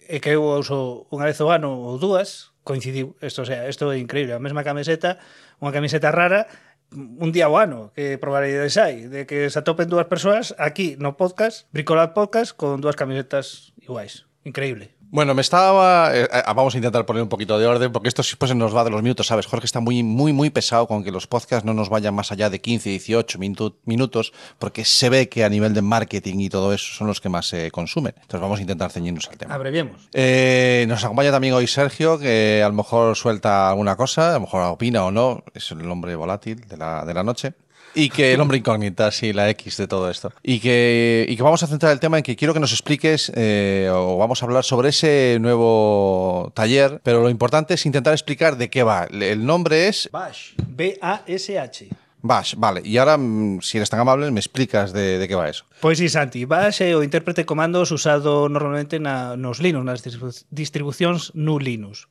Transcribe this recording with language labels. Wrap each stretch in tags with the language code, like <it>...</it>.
<gl>E que eu uso unha vez o ano ou dúas, coincidiu. Isto é increíble. A mesma camiseta, unha camiseta rara, un día o ano, que probabilidades hai de que se atopen dúas persoas aquí no podcast, Bricolab Podcast, con dúas camisetas iguais. Increíble.</gl> <es>Bueno, vamos a intentar poner un poquito de orden, porque esto pues, se nos va de los minutos, ¿sabes? Jorge está muy, muy, muy pesado con que los podcasts no nos vayan más allá de 15, 18 minutos, porque se ve que a nivel de marketing y todo eso son los que más se consumen. Entonces vamos a intentar ceñirnos al tema. Abreviemos. Nos acompaña también hoy Sergio, que a lo mejor suelta alguna cosa, a lo mejor opina o no, es el hombre volátil de la noche. Y que el hombre incógnita, sí, la X de todo esto. Y que vamos a centrar el tema en que quiero que nos expliques, o vamos a hablar sobre ese nuevo taller, pero lo importante es intentar explicar de qué va. El nombre es... Bash, B-A-S-H. Bash, vale. Y ahora, si eres tan amable, me explicas de qué va eso. Pues sí, Santi.</es> <gl>Bash é o intérprete de comandos usado normalmente nos Linux, nas distribucións no Linux.</gl>